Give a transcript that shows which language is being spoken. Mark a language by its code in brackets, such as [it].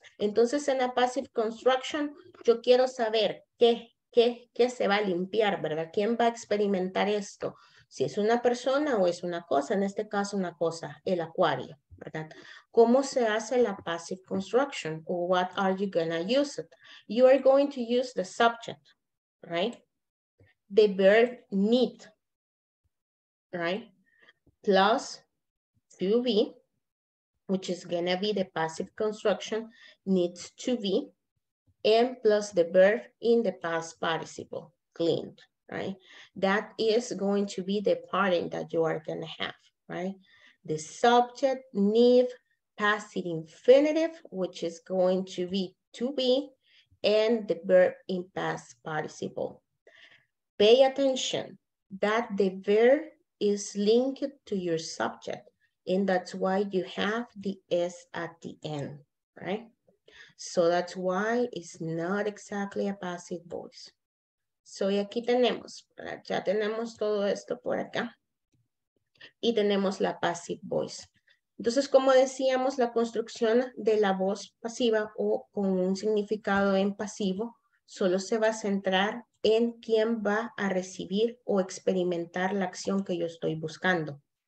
[es] Entonces, en la passive construction, yo quiero saber qué se va a limpiar, ¿verdad? ¿Quién va a experimentar esto? Si es una persona o es una cosa, en este caso una cosa, el acuario, ¿verdad? ¿Cómo se hace la passive construction? [en] What are you going to use it? You are going to use the subject, right? The verb need, right? Plus to be, which is going to be the passive construction, needs to be, and plus the verb in the past participle, cleaned, right? That is going to be the parting that you are going to have, right? The subject, need, passive infinitive, which is going to be to be, and the verb in past participle. Pay attention that the verb is linked to your subject, and that's why you have the S at the end, right? So that's why it's not exactly a passive voice. [es] So y aquí tenemos, ya tenemos todo esto por acá, y tenemos la passive voice. Entonces, como decíamos, la construcción de la voz pasiva o con un significado en pasivo solo se va a centrar en quién va a recibir o experimentar la acción que yo estoy buscando.